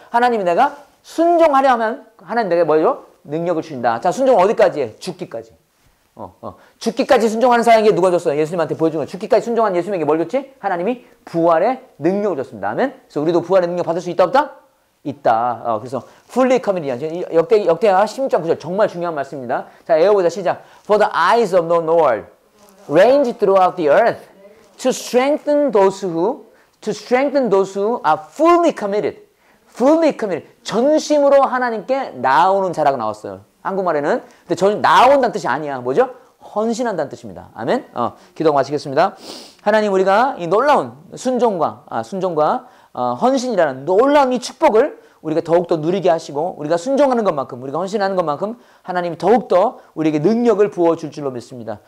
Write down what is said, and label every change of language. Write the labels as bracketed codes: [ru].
[ko] 하나님이 내가 순종하려 하면 하나님 내게 뭐죠? 능력을 주신다. 자, 순종은 어디까지 해? 죽기까지. 죽기까지 순종하는 사람에게 누가 줬어요? 예수님한테 보여준 거. 죽기까지 순종한 예수님에게 뭘 줬지? 하나님이 부활의 능력을 줬습니다. 아멘. 그래서 우리도 부활의 능력 받을 수 있다 없다? 있다. 그래서 [en] fully committed. [ko] 역대하 16장 9절 정말 중요한 말씀입니다. 자, 애어보자. 시작. [en] For the eyes of the Lord range throughout the earth to strengthen those who To strengthen those who are fully committed. Fully committed. [ko] 전심으로 하나님께 나오는 자라고 나왔어요. 한국말에는. 근데 전 나온다는 뜻이 아니야. 뭐죠? 헌신한다는 뜻입니다. 아멘. 기도 마치겠습니다. 하나님, 우리가 이 놀라운 순종과 헌신이라는 놀라운 이 축복을 우리가 더욱더 누리게 하시고, 우리가 순종하는 것만큼, 우리가 헌신하는 것만큼 하나님이 더욱더 우리에게 능력을 부어줄 줄로 믿습니다.